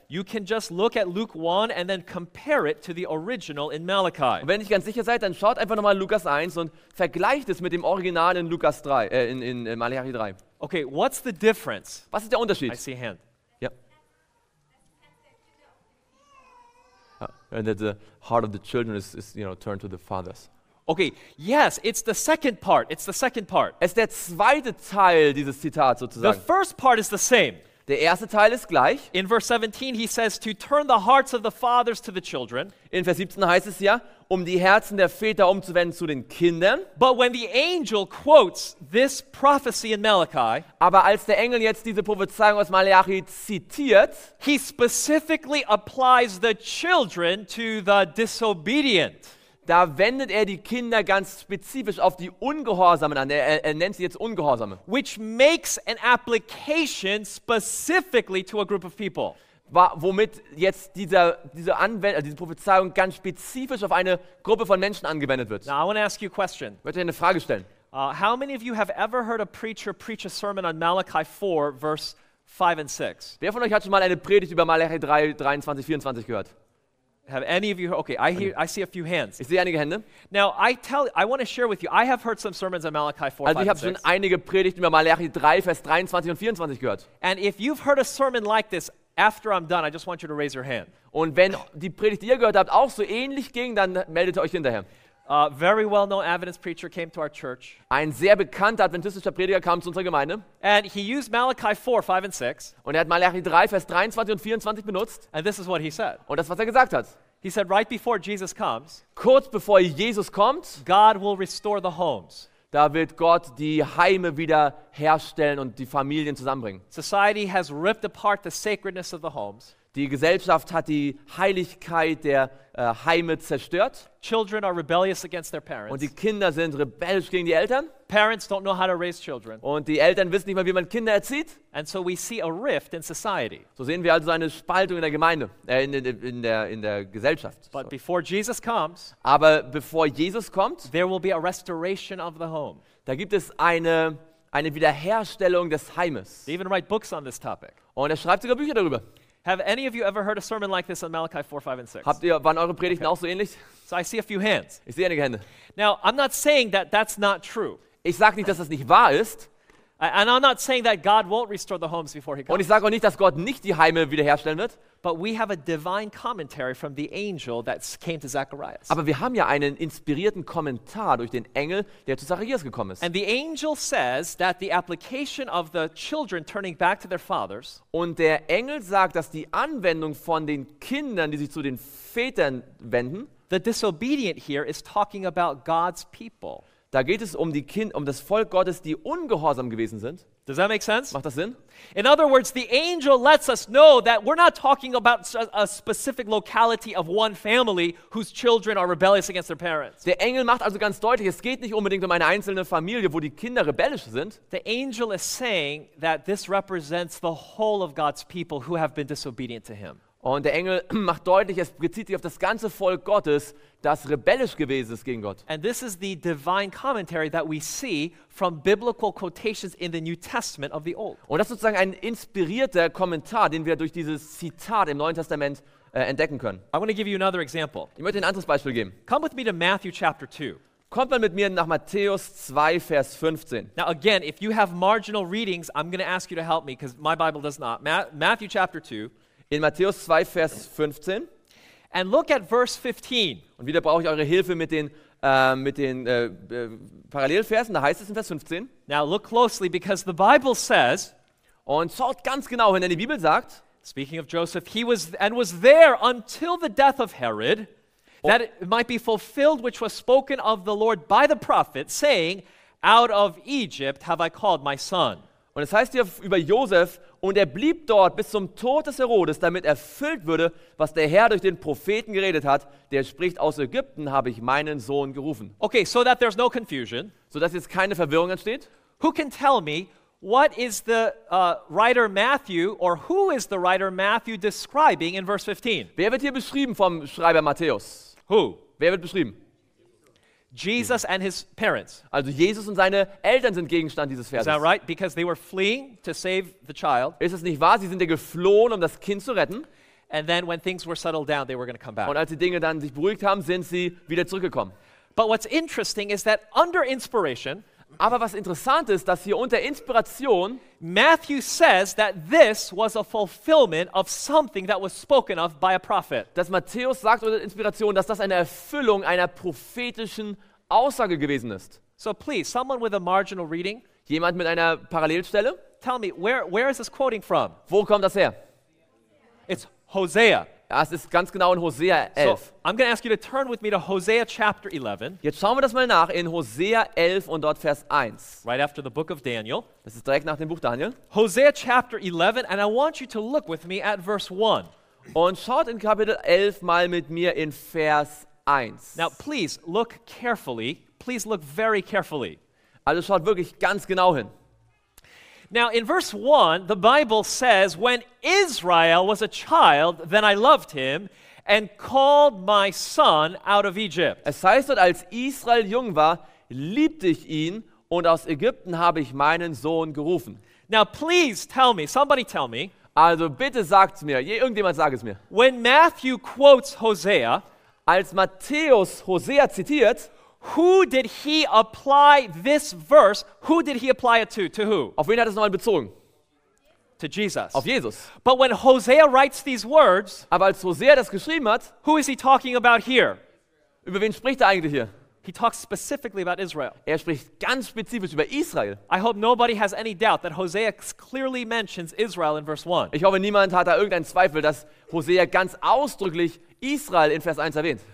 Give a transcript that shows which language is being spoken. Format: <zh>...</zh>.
<en>you can just look at Luke 1 and then compare it to the original in Malachi.</en> <de>Und wenn ihr nicht ganz sicher seid, dann schaut einfach nochmal Lukas 1 und vergleicht es mit dem Original in Lukas 3, in Malachi 3.</de> <en>Okay, what's the difference?</en> <de>Was ist der Unterschied?</de> <en>I see a hand. And that the heart of the children is you know, turned to the fathers. Okay, yes, it's the second part. It's the second part.</en> <de>Es ist der zweite Teil dieses Zitats sozusagen.</de> <en>The first part is the same.</en> <de>Der erste Teil ist gleich.</de> <en>In verse 17 he says to turn the hearts of the fathers to the children.</en> <de>In Vers 17 heißt es ja, um die Herzen der Väter umzuwenden zu den Kindern.</de> <en>But when the angel quotes this prophecy in Malachi,</en> <de>aber als der Engel jetzt diese Prophezeiung aus Malachi zitiert,</de> <en>he specifically applies the children to the disobedient.</en> <de>Da wendet er die Kinder ganz spezifisch auf die Ungehorsamen an. Er nennt sie jetzt Ungehorsame.</de> <en>Which makes an application specifically to a group of people.</en> <de>Womit jetzt diese Prophezeiung ganz spezifisch auf eine Gruppe von Menschen angewendet wird.</de> <en>Now I want to ask you a question.</en> <de>Ich möchte eine Frage stellen.</de> <en>How many of you have ever heard a preacher preach a sermon on Malachi 4, verse 5 and 6?</en> <de>Wer von euch hat schon mal eine Predigt über Malachi 3, 23, 24 gehört?</de> <en>Have any of you heard? Okay, I see a few hands.</en> <de>Ich sehe einige Hände.</de> <en>Now, I want to share with you. I have heard some sermons on Malachi 4,</en> <de>also ich habe schon einige Predigten über Malachi 3 Vers 23 und 24 gehört.</de> <en>And if you've heard a sermon like this after I'm done, I just want you to raise your hand.</en> <de>Und wenn die Predigt, die ihr gehört habt, auch so ähnlich ging, dann meldet euch hinterher.</de> <en>A very well-known Adventist preacher came to our church.</en> <de>Ein sehr bekannter adventistischer Prediger kam zu unserer Gemeinde.</de> <en>And he used Malachi 4, 5 and 6.</en> <de>Und er hat Malachi 3 Vers 23 und 24 benutzt.</de> <en>And this is what he said.</en> <de>Und das, was er gesagt hat.</de> <en>He said right before Jesus comes,</en> <de>kurz bevor Jesus kommt,</de> <en>God will restore the homes.</en> <de>Da wird Gott die Heime wieder herstellen und die Familien zusammenbringen.</de> <en>Society has ripped apart the sacredness of the homes.</en> <de>Die Gesellschaft hat die Heiligkeit der Heime zerstört.</de> <en>Children are rebellious against their parents.</en> <de>Und die Kinder sind rebellisch gegen die Eltern.</de> <en>Parents don't know how to raise children.</en> <de>Und die Eltern wissen nicht mal, wie man Kinder erzieht.</de> <en>And so we see a rift in society.</en> <de>So sehen wir also eine Spaltung in der Gemeinde, in der Gesellschaft.</de> <en>But before Jesus comes,</en> <de>aber bevor Jesus kommt,</de> <en>there will be a restoration of the home.</en> <de>Da gibt es eine Wiederherstellung des Heimes.</de> <en>They even write books on this topic.</en> <de>Und er schreibt sogar Bücher darüber.</de> <en>Have any of you ever heard a sermon like this on Malachi 4, 5, and 6?</en> <de>Habt ihr, waren eure Predigten okay. auch so ähnlich?</de> <en>So I see a few hands.</en> <de>Ich sehe einige Hände.</de> <en>Now, I'm not saying that that's not true.</en> <de>Ich sage nicht, dass das nicht wahr ist.</de> <en>And I'm not saying that God won't restore the homes before he comes.</en> <de>Und ich sage auch nicht, dass Gott nicht die Heime wiederherstellen wird.</de> <en>But we have a divine commentary from the angel that came to Zacharias.</en> <de>Aber wir haben ja einen inspirierten Kommentar durch den Engel, der zu Zacharias gekommen ist.</de> <en>And the angel says that the application of the children turning back to their fathers.</en> <de>Und der Engel sagt, dass die Anwendung von den Kindern, die sich zu den Vätern wenden,</de> <en>the disobedient here is talking about God's people.</en> <de>Da geht es um die Kind, um das Volk Gottes, die ungehorsam gewesen sind.</de> <en>Does that make sense?</en> <de>Macht das Sinn?</de> <en>In other words, the angel lets us know that we're not talking about a specific locality of one family whose children are rebellious against their parents.</en> <de>Der Engel macht also ganz deutlich, es geht nicht unbedingt um eine einzelne Familie, wo die Kinder rebellisch sind.</de> <en>The angel is saying that this represents the whole of God's people who have been disobedient to him.</en> <de>Und der Engel macht deutlich, es bezieht sich auf das ganze Volk Gottes, das rebellisch gewesen ist gegen Gott.</de> <en>And this is the divine commentary that we see from biblical quotations in the New Testament of the Old.</en> <de>Und das ist sozusagen ein inspirierter Kommentar, den wir durch dieses Zitat im Neuen Testament entdecken können.</de> <en>I want to give you another example.</en> <de>Ich möchte ein anderes Beispiel geben.</de> <en>Come with me to Matthew chapter 2.</en> <de>Kommt mal mit mir nach Matthäus 2, Vers 15.</de> <en>Now again, if you have marginal readings, I'm going to ask you to help me, because my Bible does not. Matthew chapter 2.</en> <de>In Matthäus 2, Vers 15.</de> <en>And look at verse 15.</en> <de>Und wieder brauche ich eure Hilfe mit den Parallelversen. Da heißt es in Vers 15.</de> <en>Now look closely, because the Bible says.</en> <de>Und schaut ganz genau hin, denn die Bibel sagt.</de> <en>Speaking of Joseph, he was and was there until the death of Herod, that it might be fulfilled which was spoken of the Lord by the prophet, saying, out of Egypt have I called my son.</en> <de>Und es heißt hier über Joseph. Und er blieb dort bis zum Tod des Herodes, damit erfüllt würde, was der Herr durch den Propheten geredet hat. Der spricht, aus Ägypten habe ich meinen Sohn gerufen.</de> <en>Okay, so that there's no confusion.</en> <de>So dass jetzt keine Verwirrung entsteht.</de> <en>Who can tell me, what is the writer Matthew, or who is the writer Matthew describing in verse 15?</en> <de>Wer wird hier beschrieben vom Schreiber Matthäus?</de> <en>Who?</en> <de>Wer wird beschrieben?</de> <en>Jesus and his parents.</en> <de>Also Jesus und seine Eltern sind Gegenstand dieses Verses.</de> <en>Is that right? Because they were fleeing to save the child.</en> <de>Ist es nicht wahr? Sie sind ja geflohen, um das Kind zu retten.</de> <en>And then when things were settled down, they were going to come back.</en> <de>Und als die Dinge dann sich beruhigt haben, sind sie wieder zurückgekommen.</de> <en>But what's interesting is that under inspiration,</en> <de>Aber was interessant ist, dass hier unter Inspiration</de> <en>Matthew says that this was a fulfillment of something that was spoken of by a prophet.</en> <de>Dass Matthäus sagt unter Inspiration, dass das eine Erfüllung einer prophetischen Aussage gewesen ist.</de> <en>So please, someone with a marginal reading,</en> <de>jemand mit einer Parallelstelle,</de> <en>tell me where is this quoting from?</en> <de>Wo kommt das her?</de> <en>It's Hosea.</en> <de>Das ist ganz genau in Hosea 11.</de> <en>So, I'm going to ask you to turn with me to Hosea chapter 11.</en> <de>Jetzt schauen wir das mal nach in Hosea 11 und dort Vers 1.</de> <en>Right after the book of Daniel.</en> <de>Das ist direkt nach dem Buch Daniel.</de> <en>Hosea chapter 11, and I want you to look with me at verse 1.</en> <de>Und schaut in Kapitel 11 mal mit mir in Vers 1.</de> <en>Now please look carefully. Please look very carefully.</en> <de>Also schaut wirklich ganz genau hin.</de> <en>Now in verse 1 the Bible says when Israel was a child then I loved him and called my son out of Egypt.</en> <de>Es heißt dort, als Israel jung war, liebte ich ihn und aus Ägypten habe ich meinen Sohn gerufen.</de> <en>Now please tell me, somebody tell me.</en> <de>Also bitte sagt's mir, irgendjemand sag es mir.</de> <en>When Matthew quotes Hosea,</en> <de>als Matthäus Hosea zitiert,</de> <en>who did he apply this verse? Who did he apply it to? To who?</en> <de>Auf wen hat es nochmal bezogen?</de> <en>To Jesus.</en> <de>Auf Jesus.</de> <en>But when Hosea writes these words,</en> <de>aber als Hosea das geschrieben hat,</de> <en>who is he talking about here?</en> <de>Über wen spricht er eigentlich hier?</de> <en>He talks specifically about Israel.</en> <de>Er spricht ganz spezifisch über Israel.</de> <en>I hope nobody has any doubt that Hosea clearly mentions Israel in verse 1.</en> <de>Ich hoffe, niemand hat da irgendeinen Zweifel, dass Hosea ganz ausdrücklich Israel in Vers 1 erwähnt.</de>